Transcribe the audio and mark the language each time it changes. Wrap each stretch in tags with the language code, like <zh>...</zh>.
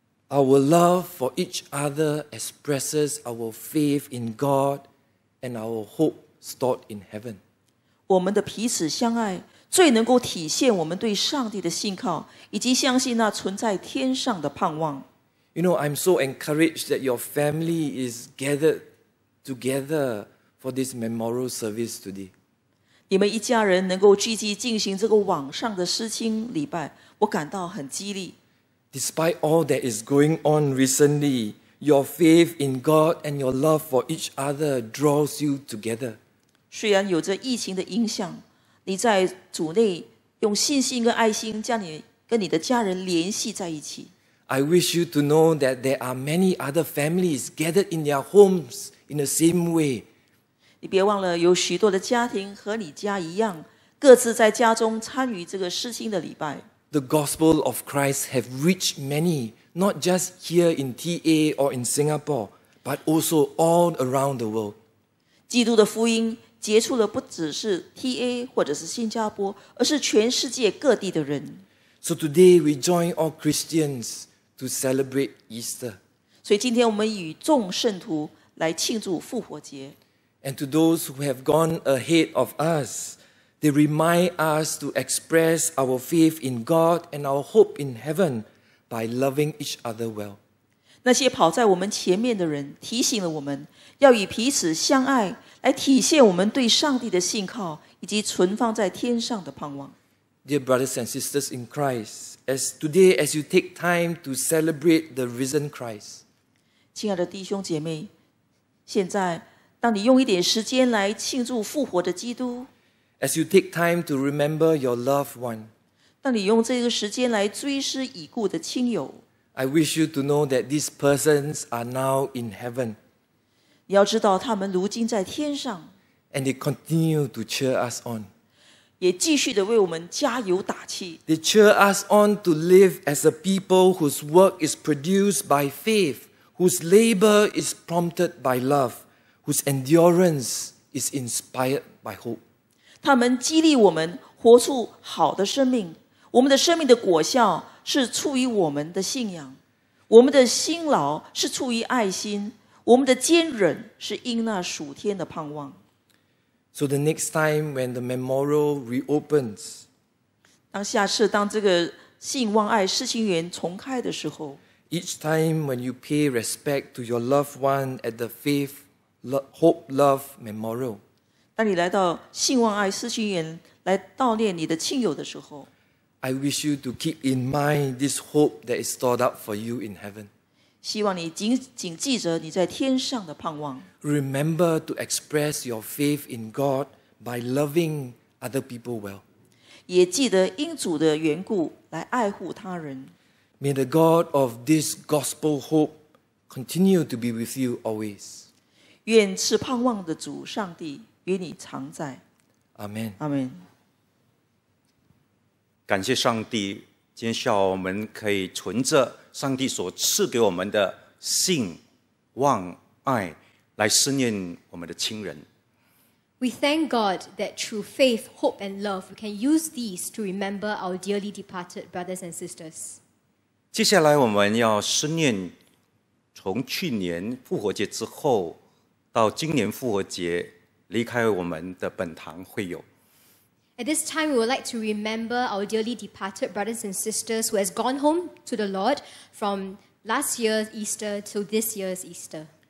<en>Our love for each other expresses our faith in God and our hope stored in heaven.</en> <zh>我们的彼此相爱，最能够体现我们对上帝的信靠，以及相信那存在天上的盼望。</zh> <en>You know, I'm so encouraged that your family is gathered together. For this memorial service today.</en> <zh>你们一家人能够聚集进行这个网上的思亲礼拜，我感到很激励。</zh> <en>Despite all that is going on recently, your faith in God and your love for each other draws you together.</en> <zh>虽然有着疫情的影响，你在主内用信心跟爱心将你跟你的家人联系在一起。</zh> <en>I wish you to know that there are many other families gathered in their homes in the same way.</en> <zh>你别忘了，有许多的家庭和你家一样，各自在家中参与这个思亲的礼拜。</zh> <en>The gospel of Christ have reached many, not just here in TA or in Singapore, but also all around the world.</en> <zh>基督的福音接触了不只是 TA 或者是新加坡，而是全世界各地的人。</zh> <en>So today we join all Christians to celebrate Easter.</en> <zh>所以今天我们与众圣徒来庆祝复活节。</zh> <en>And to those who have gone ahead of us, they remind us to express our faith in God and our hope in heaven by loving each other well.</en> <zh>那些跑在我们前面的人提醒了我们要与彼此相爱，来体现我们对上帝的信靠以及存放在天上的盼望。</zh> <en>Dear brothers and sisters in Christ, as today as you take time to celebrate the risen Christ,</en> <zh>亲爱的弟兄姐妹，现在当你用一点时间来庆祝复活的基督，</zh> <en>as you take time to remember your loved one,</en> <zh>当你用这个时间来追思已故的亲友，</zh> <en>I wish you to know that these persons are now in heaven.</en> <zh>你要知道他们如今在天上，</zh> <en>and they continue to cheer us on.</en> <zh>也继续地为我们加油打气。</zh> <en>They cheer us on to live as a people whose work is produced by faith, whose labor is prompted by love. Whose endurance is inspired by hope.</en> <zh>他们激励我们活出好的生命，我们的生命的果效是出于我们的信仰，我们的辛劳是出于爱心，我们的坚忍是因那属天的盼望。</zh> <en>So the next time when the memorial reopens,</en> <zh>当下次当这个信望爱思亲园重开的时候，</zh> <en>Each time when you pay respect to your loved one at the faithHope, love, memorial.</en> <zh>当你来到信望爱思亲园来悼念你的亲友的时候，</zh> <en>I wish you to keep in mind this hope that is stored up for you in heaven.</en> <zh>希望你谨记着你在天上的盼望。</zh> <en>Remember to express your faith in God by loving other people well.</en> <zh>也记得因主的缘故来爱护他人。</zh> <en>May the God of this gospel hope continue to be with you always.</en> <zh>愿赐盼望的主上帝与你常在。阿门。阿门。感谢上帝，今天下午我们可以存着上帝所赐给我们的信望爱来思念我们的亲人。</zh> <en>We thank God that through faith, hope, and love, we can use these to remember our dearly departed brothers and sisters.</en> <zh>接下来我们要思念从去年复活节之后。到今年复活节离开我们的本堂会友。</zh> <en>At this time, we would like to remember our dearly departed brothers and sisters who has gone home to the Lord from last year's Easter to this year's Easter.</en>